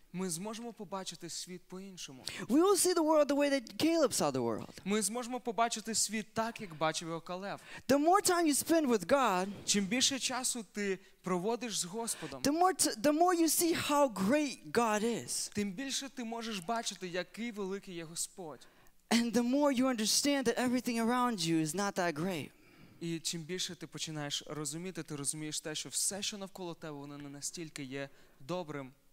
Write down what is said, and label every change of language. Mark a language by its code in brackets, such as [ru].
[uk] Ми зможемо побачити світ по-іншому. [en] We will see the world the way that Caleb saw the world. [uk] Ми зможемо побачити світ так, як бачив його Калев. [en] The more time you spend with God, [uk] чим більше часу ти проводиш з Господом, [en] the more you see how great God is. [uk] Тим більше ти можеш бачити, який великий є Господь. [en] And the more you understand that everything around you is not that great. [uk] І чим більше ти починаєш розуміти, ти розумієш те, що все, що навколо тебе, воно не настільки є добрим.